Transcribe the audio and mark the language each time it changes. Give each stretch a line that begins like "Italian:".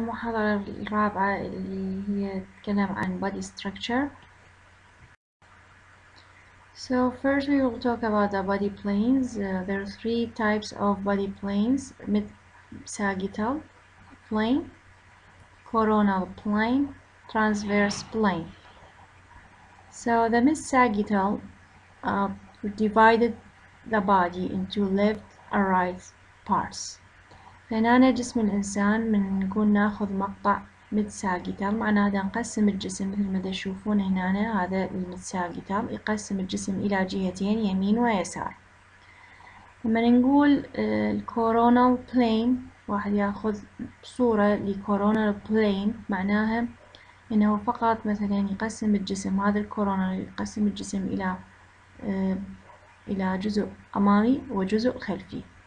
Arabic: المحاضرة الرابعة اللي هي تتكلم عن body structure.
English: So first we will talk about the body planes. There are three types of body planes: mid sagittal plane, coronal plane, transverse plane. So the mid sagittal divided the body into left and right parts.
Arabic: فنانا جسم الإنسان من نقول ناخذ مقطع متساقيتال، معناه هذا نقسم الجسم مثل ما تشوفون هنا، هذا المتساقيتال يقسم الجسم إلى جهتين يمين ويسار. لما نقول الكورونال بلين، واحد يأخذ صورة لكورونال بلين، معناها إنه فقط مثلا يقسم الجسم، هذا الكورونال يقسم الجسم إلى جزء أمامي وجزء خلفي.